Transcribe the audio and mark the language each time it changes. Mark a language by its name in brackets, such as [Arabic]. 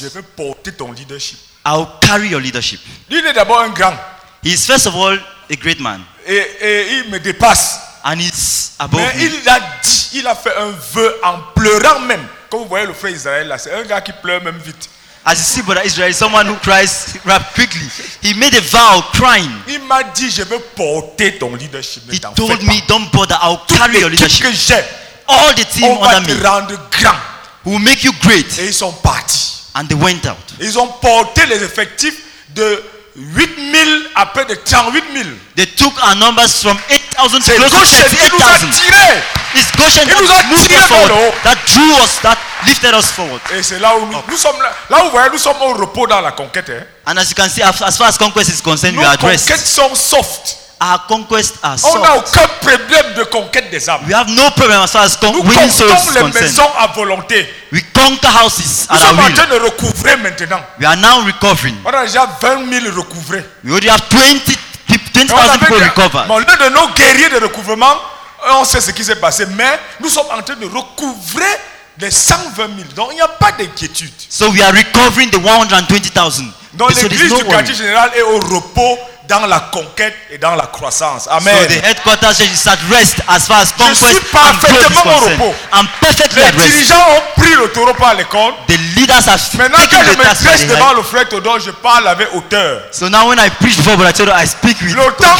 [French] Je vais porter ton leadership. [English] I'll carry your leadership. [French] Lui est d'abord un grand. [English] He is first of all a great man. [French] Et il me dépasse. [English] And it's above [French] mais il a dit, il a fait un vœu en pleurant même. Comme vous voyez le frère Israël là, c'est un gars qui pleure même vite. [English] As you see, brother Israel, someone who cries rapidly quickly. He made a vow crying. [French] Il m'a dit, je veux porter ton leadership. [English] He told me, don't bother, I'll carry your leadership. [French] Tout ce que j'ai, [English] all the team [French] on [English] under me. [French] Rendre grand. [English] We will make you great. [French] Et ils sont partis. [English] And they went out. [French] Ils ont porté les effectifs de 8000 à près de 38000. [English] They took our numbers from 8000 to close to 8000. It's Goshen that moved us forward. That drew us, that lifted us forward. [French] Et c'est là où nous sommes là où vous voyez nous sommes au repos dans la conquête. Hein? [English] And as you can see, as far as conquest is concerned, [French] nous [English] we are dressed. [French] Nos conquêtes sont soft. [English] Our conquest are soft. [French] On n'a aucun problème de conquête des âmes. [English] We have no problem as far as winning souls is concerned. [French] Nous conquérons les maisons à volonté. [English] We conquer houses [French] nous Nous sommes en train de recouvrer maintenant. [English] We are now recovering. [French] On a déjà 20000 recouvrés. [English] We already have 20,000 people recovered. [French] Mais l'un de nos guerriers de recouvrement, on sait ce qui s'est passé, mais nous sommes en train de recouvrer les 120000. Donc il n'y a pas d'inquiétude. [English] So we are recovering the 120,000. [French] Donc l'église du quartier général est au repos. Dans la conquête et dans la croissance. Amen. [English] So the headquarters church is at rest as far as conquest and growth is concerned. [French] Je suis parfaitement au repos. [English] I'm perfectly at rest. [French] Les dirigeants ont pris le taureau par les cornes. [English] The leaders have taken the task. [French] Maintenant, quand je me dresse devant le frère Todor, je parle avec hauteur. [English] So now when I preach before Brother Todor, I speak with confidence.